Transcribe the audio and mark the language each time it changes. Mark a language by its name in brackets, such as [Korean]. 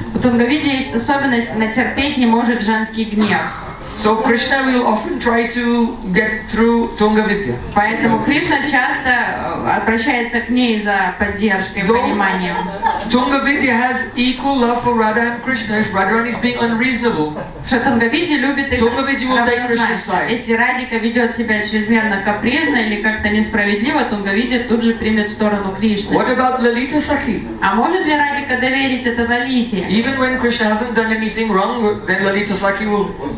[Russian] У Тунгавидьи есть особенность, она терпеть не может женский гнев. [English] So Krishna will often try to get through Tungavidya. [Russian] Поэтому Кришна часто обращается к ней за поддержкой, пониманием. [English] Tungavidya has equal love for Radha and Krishna if Radharani is being unreasonable. [Russian] Что Тунгавидья любит их. [English] Tungavidya will take Krishna's side. [Russian] Если Радика ведет себя чрезмерно капризно или как-то несправедливо, Тунгавидья тут же примет сторону Кришны. [English] What about Lalita Sakhi? [Russian] А может ли Радика доверить это Лалите? [English] Even when Krishna hasn't done anything wrong, then Lalita Sakhi will.